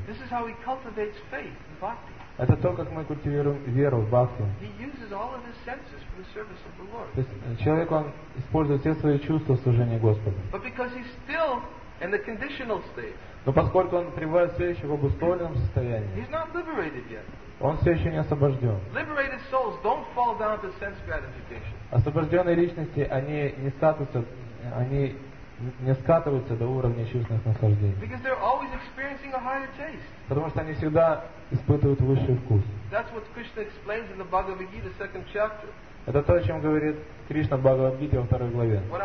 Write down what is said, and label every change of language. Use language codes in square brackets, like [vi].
[en] This is how he cultivates faith in bhakti. [ru] Это то, как мы культивируем веру в бхакти. [en] He uses all of his senses for the service of the Lord. [ru] То есть человек, он использует все свои чувства в служении Господу. [en] But because he still in the conditional state. [ru] Но поскольку он пребывает все еще в обусловленном состоянии. [en] He's not liberated yet. [ru] Он все еще не освобожден. [en] Liberated souls don't fall down to sense gratification. [ru] Освобожденные личности, они не скатываются до уровня чувственных наслаждений. [en] Because they're always experiencing a higher taste. [ru] Потому что они всегда испытывают высший вкус. [en] That's what Krishna explains in the Bhagavad Gita, second chapter. [ru] Это то, о чем говорит Кришна в Бхагавад-гите во второй главе.